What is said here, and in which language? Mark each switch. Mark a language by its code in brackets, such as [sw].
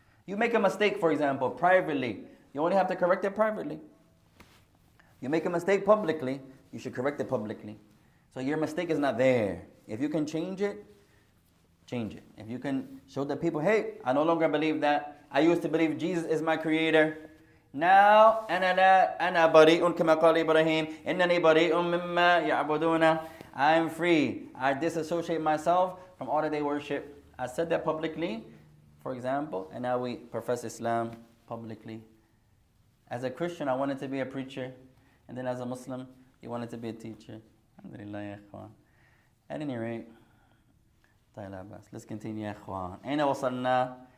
[en] You make a mistake, for example, privately, you only have to correct it privately. You make a mistake publicly, you should correct it publicly. So your mistake is not there. If you can change it, change it. If you can show the people, hey, I no longer believe that. I used to believe Jesus is my creator. Now, [ar] أنا بريءٌ كما قال إبراهيم إنني بريءٌ مما يعبدون. [en] I am free. I disassociate myself from all that they worship. I said that publicly, for example, and now we profess Islam publicly. As a Christian, I wanted to be a preacher. And then as a Muslim, you wanted to be a teacher. Alhamdulillah, ya ikhwan. At any rate, let's continue, ya ikhwan. [ar] Aina wasalna?